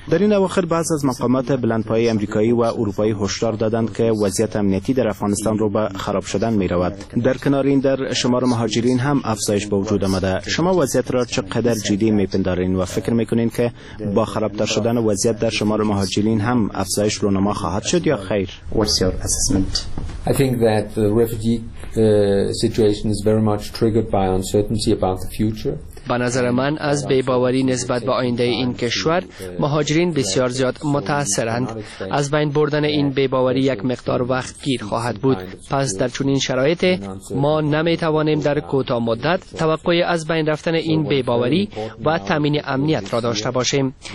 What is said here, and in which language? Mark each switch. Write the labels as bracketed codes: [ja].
[fa] در این اواخر بعض از مقامات بلندپایه آمریکایی و اروپایی هشدار دادند که وضعیت امنیتی در افغانستان رو به خراب شدن می‌رود. در کنار این در شمار مهاجرین هم افزایش به وجود آمده. شما وضعیت را چقدر جدی می‌پندارین و فکر می‌کنین که با خرابتر شدن وضعیت در شمار مهاجرین هم افزایش رونما خواهد شد یا خیر؟ [en] What's your assessment? I think that the refugee situation is very much triggered by uncertainty about the future. [fa] به نظر من از بی‌باوری نسبت به آینده این کشور مهاجرین بسیار زیاد متاثرند. از بین بردن این بی‌باوری یک مقدار وقت گیر خواهد بود. پس در چنین شرایطی ما نمی‌توانیم در کوتاه مدت توقع از بین رفتن این بی‌باوری و تأمین امنیت را داشته باشیم.